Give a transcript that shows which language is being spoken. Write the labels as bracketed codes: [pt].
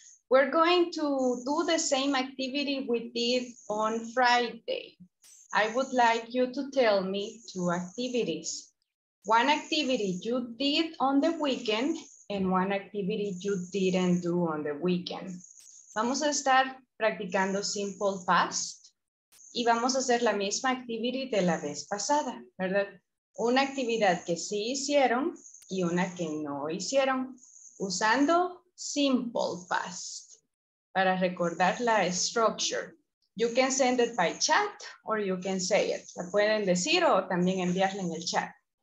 [en] We're going to do the same activity we did on Friday. I would like you to tell me two activities. One activity you did on the weekend and one activity you didn't do on the weekend. [es] Vamos a estar practicando simple past y vamos a hacer la misma activity de la vez pasada, ¿verdad? Una actividad que sí hicieron y una que no hicieron usando simple past para recordar la structure. [en] You can send it by chat or you can say it. [es] La pueden decir o también enviarla en el chat.